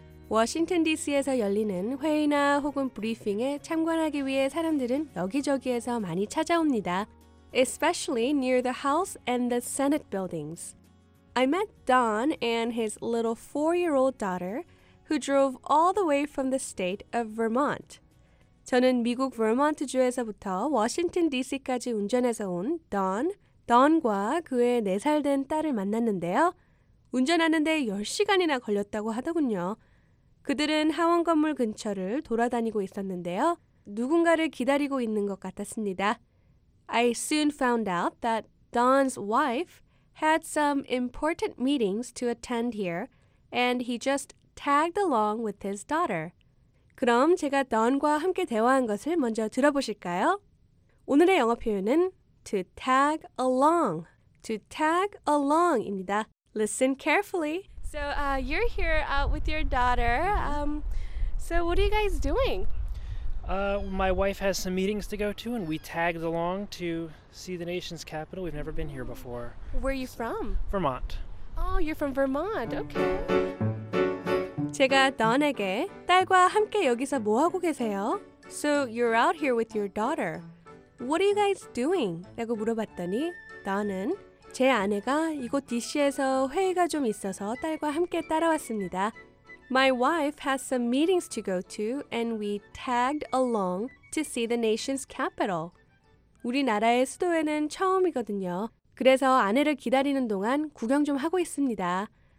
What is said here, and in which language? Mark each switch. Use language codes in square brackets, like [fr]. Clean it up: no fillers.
[ko] Washington, D.C.에서 열리는 회의나 혹은 브리핑에 참관하기 위해 사람들은 여기저기에서 많이 찾아옵니다. [en] Especially near the House and the Senate buildings. I met Don and his little 4-year-old daughter, who drove all the way from the state of Vermont. [ko] 저는 미국 버몬트주에서부터 워싱턴 DC까지 운전해서 온 Don과 그의 4살 된 딸을 만났는데요. 운전하는데 10시간이나 걸렸다고 하더군요. 그들은 하원 건물 근처를 돌아다니고 있었는데요. 누군가를 기다리고 있는 것 같았습니다. [en] I soon found out that Don's wife had some important meetings to attend here, and he just tagged along with his daughter. [ko] 그럼 제가 Don과 함께 대화한 것을 먼저 들어보실까요? 오늘의 영어 표현은 to tag along, to tag along입니다. [en] Listen carefully. So you're here out with your daughter. So what are you guys doing? My wife has some meetings to go to, and we tagged along to see the nation's capital. We've never been here before. Where are you from? Vermont. Oh, you're from Vermont. Okay. [ko] 제가 Don에게 딸과 함께 여기서 뭐 하고 계세요? [en] So you're out here with your daughter. What are you guys doing? [ko] 라고 물어봤더니 Don은 제 아내가 이곳 DC에서 회의가 좀 있어서 딸과 함께 따라왔습니다. [en] My wife has some meetings to go to and we tagged along to see the nation's capital. [ko] 우리나라의 수도에는 처음이거든요. 그래서 아내를 기다리는 동안 구경 좀 하고 있습니다.